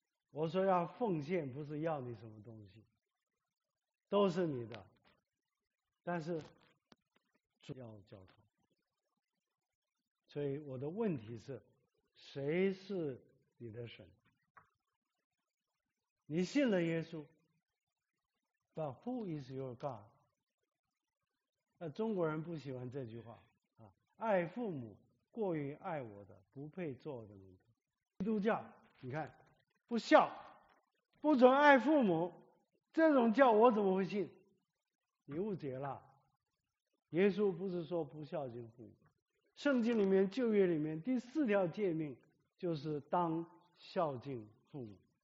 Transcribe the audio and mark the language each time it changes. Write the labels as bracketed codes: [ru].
[zh] 我说要奉献，不是要你什么东西，都是你的，但是主要交通。所以我的问题是，谁是你的神？你信了耶稣， [en] But who is your God？ [zh] 那中国人不喜欢这句话啊，爱父母过于爱我的，不配做我的门徒。基督教，你看。不孝，不准爱父母，这种教我怎么会信？你误解了，耶稣不是说不孝敬父母，圣经里面旧约里面第四条诫命就是当孝敬父母。